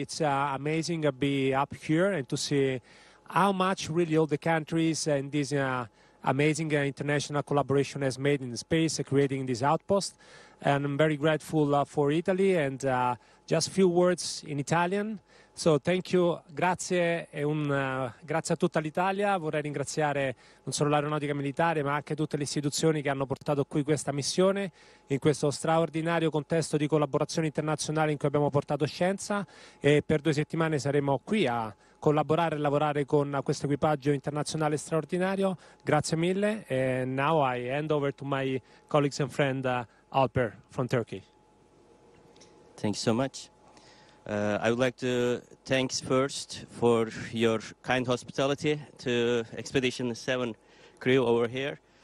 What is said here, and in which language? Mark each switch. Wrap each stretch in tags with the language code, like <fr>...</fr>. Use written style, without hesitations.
<en>It's amazing to be up here and to see how much really all the countries and this amazing international collaboration has made in space, creating this outpost. And I'm very grateful for Italy, and just a few words in Italian. So thank you,</en> <it>grazie, e un grazie a tutta l'Italia. Vorrei ringraziare non solo l'Aeronautica Militare, ma anche tutte le istituzioni che hanno portato qui questa missione, in questo straordinario contesto di collaborazione internazionale in cui abbiamo portato scienza. E per 2 settimane saremo qui a collaborare e lavorare con questo equipaggio internazionale straordinario. Grazie mille.</it> <en>And now I hand over to my colleagues and friend Alper from Turkey. Thank you so much. I would like to thanks first for your kind hospitality to Expedition 7 crew over here.</en>